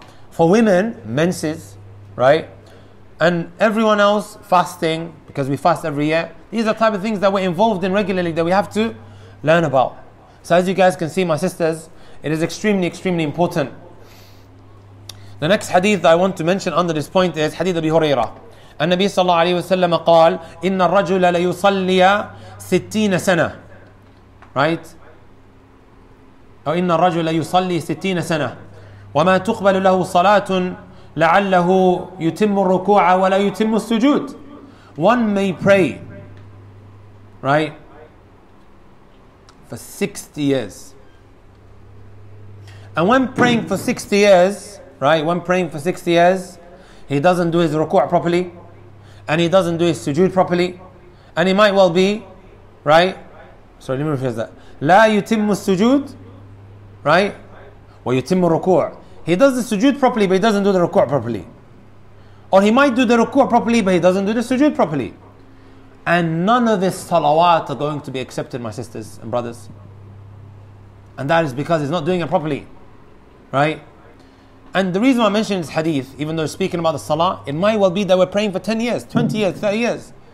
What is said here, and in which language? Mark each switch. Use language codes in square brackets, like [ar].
[en] For women, menses, right? And everyone else, fasting, because we fast every year. These are the type of things that we're involved in regularly that we have to learn about. So as you guys can see, my sisters, it is extremely, extremely important. The next hadith that I want to mention under this point is hadith Abi Hurairah. [ar] النبي صلى الله عليه وسلم قال إن الرجل ليصلي 60 سنة [en] right [ar] أو إن الرجل يصلي 60 سنة وما تقبل له صلاة لعله يتم الركوع ولا يتم السجود. [en] One may pray right for 60 years. And when praying for 60 years, right, when praying for 60 years, he doesn't do his ruku' properly, and he doesn't do his sujood properly, and he might well be, right? Sorry, let me rephrase that. [ar] لا يتم السجود, [en] right? [ar] ويتم الركوع. [en] He does the sujood properly, but he doesn't do the ruku' properly. Or he might do the ruku' properly, but he doesn't do the sujood properly. And none of his salawat are going to be accepted, my sisters and brothers. And that is because he's not doing it properly. Right? And the reason why I mentioned this hadith, even though speaking about the salah, it might well be that we're praying for 10 years, 20 years, 30 years.